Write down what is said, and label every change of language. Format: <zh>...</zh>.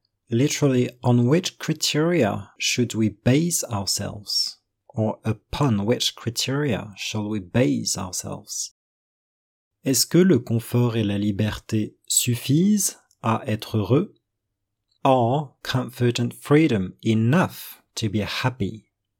<en>Literally, on which criteria should we base ourselves? Or upon which criteria shall we base ourselves?</en> <fr>Est-ce que le confort et la liberté suffisent à être heureux?</fr> <en>Are comfort and freedom enough to be happy?</en>